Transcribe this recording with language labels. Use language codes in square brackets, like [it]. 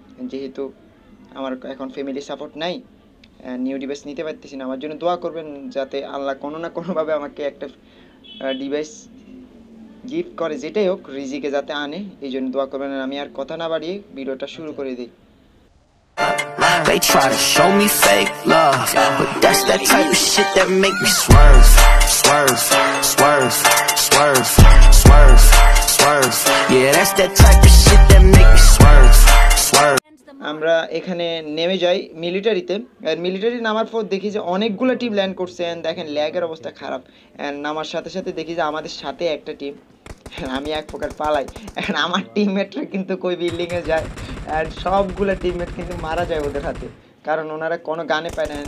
[bn] যেহেতু আমার এখন ফ্যামিলি সাপোর্ট নাই, নিউ ডিভাইস নিতে পারতেছি না, আমার জন্য দোয়া করবেন যাতে আল্লাহ কোনো না কোনোভাবে আমাকে একটা ডিভাইস গিফট করে, যেটাই হোক রিজিকে যাতে আনে, এই জন্য দোয়া করবেন। আর আমি আর কথা না বাড়িয়ে ভিডিওটা শুরু করে দিই। [en] They try to show me fake love, but that's that type of shit that make me swerve, swerve, swerve, swerve, swerve, swerve. Yeah, that's that type of shit that make me swerve, swerve. [bn] আমরা এখানে নেমে যাই মিলিটারিতে। Military নামার পর দেখি যে অনেকগুলো টিম ল্যান্ড করছে, দেখেন ল্যাগের অবস্থা খারাপ। নামার সাথে সাথে দেখি যে আমাদের সাথে একটা টিম, আমি এক প্রকার পালাই। আমার টিমমেটরা কিন্তু কই বিল্ডিংয়ে যায়, অ্যান্ড সবগুলো টিমমেট কিন্তু মারা যায় ওদের হাতে, কারণ ওনারা কোনো গানে পায় না।